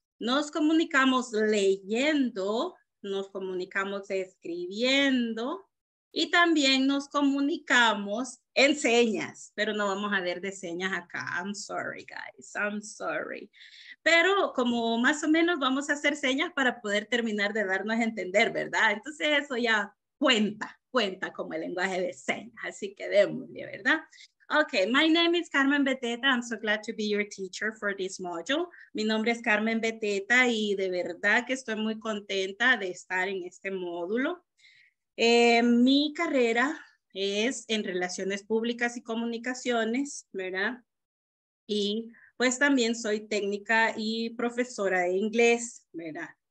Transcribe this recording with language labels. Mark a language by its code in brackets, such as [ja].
[es] Nos comunicamos leyendo, nos comunicamos escribiendo y también nos comunicamos en señas, pero no vamos a ver de señas acá. [en] I'm sorry, guys. I'm sorry. [es] Pero como más o menos vamos a hacer señas para poder terminar de darnos a entender, ¿verdad? Entonces eso ya cuenta como el lenguaje de señas. Así que démosle, ¿verdad? [en] Okay, my name is Carmen Beteta. I'm so glad to be your teacher for this module. [es] Mi nombre es Carmen Beteta y de verdad que estoy muy contenta de estar en este módulo. Mi carrera es en relaciones públicas y comunicaciones, ¿verdad? Y pues también soy técnica y profesora de inglés, ¿verdad?